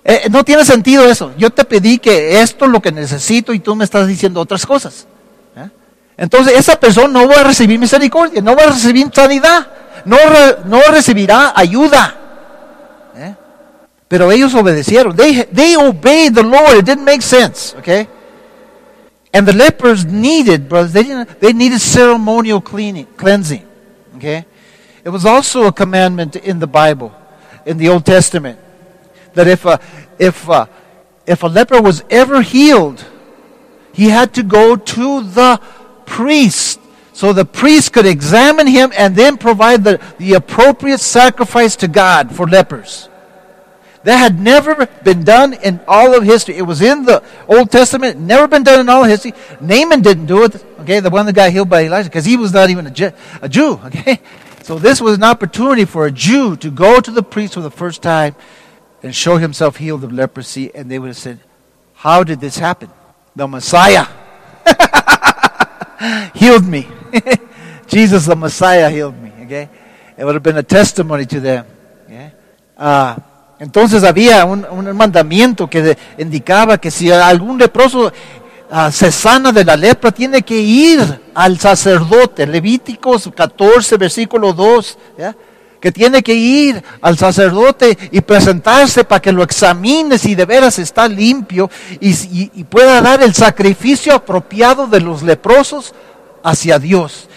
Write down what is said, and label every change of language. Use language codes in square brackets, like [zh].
[es] No tiene sentido eso. Yo te pedí que esto es lo que necesito y tú me estás diciendo otras cosas. Entonces, esa persona no va a recibir misericordia, no va a recibir sanidad, no recibirá ayuda. Pero ellos obedecieron. [en] They obeyed the Lord. It didn't make sense. Okay? And the lepers needed, brothers, they needed ceremonial cleansing. Okay? It was also a commandment in the Bible, in the Old Testament, that if a leper was ever healed, he had to go to the priest so the priest could examine him and then provide the appropriate sacrifice to God for lepers. That had never been done in all of history. It was in the Old Testament, never been done in all of history. Naaman didn't do it, okay, the one that got healed by Elijah, because he was not even a Jew, okay? So this was an opportunity for a Jew to go to the priest for the first time and show himself healed of leprosy, and they would have said, how did this happen? The Messiah healed me. Jesus, the Messiah, healed me, okay? It would have been a testimony to them, okay? [es] Entonces había un mandamiento que indicaba que si algún leproso se sana de la lepra, tiene que ir al sacerdote. Levíticos 14, versículo 2. ¿Ya? Que tiene que ir al sacerdote y presentarse para que lo examine si de veras está limpio y pueda dar el sacrificio apropiado de los leprosos hacia Dios.